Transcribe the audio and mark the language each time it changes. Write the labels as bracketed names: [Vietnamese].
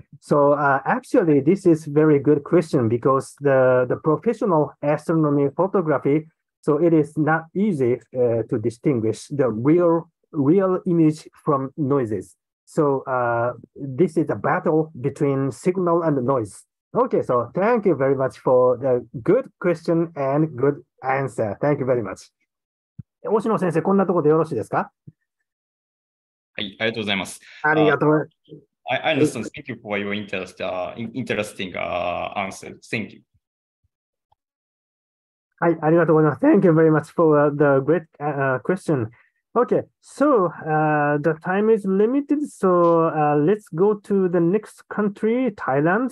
[English] So actually, this is very good question because the professional astronomy photography, so it is not easy to distinguish the real image from noises. So this is a battle between signal and noise. Okay, so thank you very much for the good question and good answer. Thank you very much. [Japanese] 星野先生、こんなところでよろしいですか？はい、ありがとうございます。ありがとうございます。 [English] I understand. Thank you for your interesting answer. Thank you. [Japanese] はい、ありがとうございます。 [English] Thank you very much for the great question. Okay, so the time is limited, so let's go to the next country, Thailand.